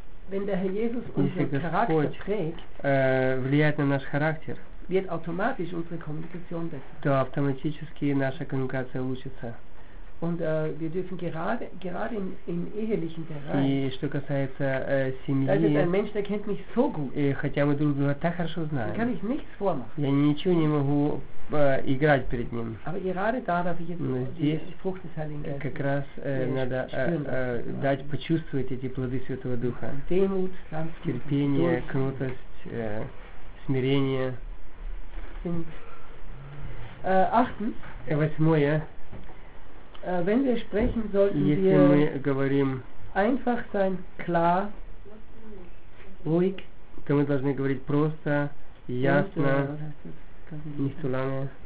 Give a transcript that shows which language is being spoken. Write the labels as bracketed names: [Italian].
[German] Wenn der Herr Jesus unseren Charakter trägt, [Russian] влияет на наш характер, [German] wird automatisch unsere Kommunikation besser. [Russian] То автоматически наша коммуникация улучшится. [German] Und wir dürfen gerade im ehelichen Bereich. [Russian] И что касается семьи. [German] Das ist ein Mensch, der kennt mich so gut. [Russian] И хотя мы друг друга так хорошо знаем. [German] Kann ich nichts vormachen. [Russian] Я ничего не могу играть перед ним. [German] Aber gerade da darf ich jetzt die Frucht des Heiligen Geistes. [Russian] Как раз надо дать почувствовать эти плоды Святого Духа. [German] Demut, Sanftmut, [Russian] терпение, кротость, смирение. [German] Achtens. [Russian] Восьмое. [German] Wenn wir sprechen, sollten [Russian] если [German] wir [Russian] мы говорим, [German] einfach sein, klar, ruhig, [Russian] то мы должны говорить просто, ясно, [German] nicht zu lange,